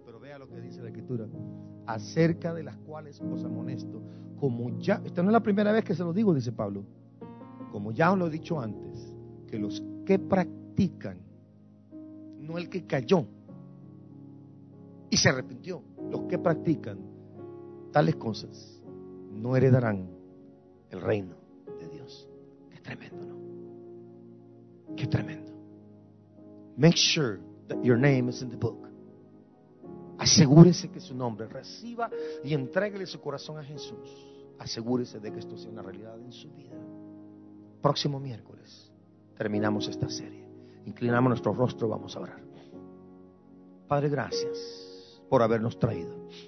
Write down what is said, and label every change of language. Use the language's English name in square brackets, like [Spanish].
[Spanish] Pero vea lo que dice la Escritura, acerca de las cuales os amonesto, como ya, esta no es la primera vez que se lo digo, dice Pablo, como ya os lo he dicho antes, que los que practican, no el que cayó y se arrepintió, los que practican tales cosas no heredarán el reino de Dios. Qué tremendo, ¿no? Qué tremendo. [English] Make sure that your name is in the book. [Spanish] Asegúrese que su nombre reciba y entréguele su corazón a Jesús. Asegúrese de que esto sea una realidad en su vida. Próximo miércoles terminamos esta serie. Inclinamos nuestro rostro, vamos a orar. Padre, gracias por habernos traído.